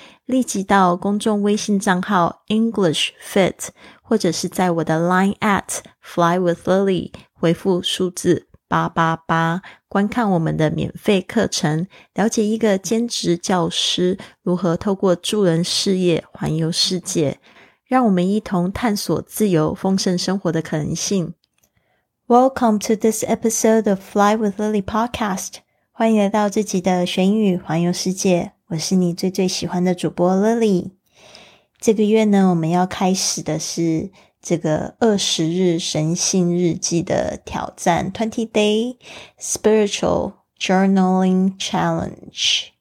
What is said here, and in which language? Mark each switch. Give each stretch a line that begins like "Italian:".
Chinese: 立即到公众微信账号 English Fit， 或者是在我的 Line at Fly with Lily 回复数字888，观看我们的免费课程，了解一个兼职教师如何透过助人事业环游世界，让我们一同探索自由丰盛生活的可能性。
English: Welcome to this episode of Fly with Lily podcast.
Chinese: 欢迎来到这集的学英语环游世界，我是你最最喜欢的主播 Lily。这个月呢，我们要开始的是这个20日神性日记的挑战 ,
English: 20 day spiritual journaling challenge。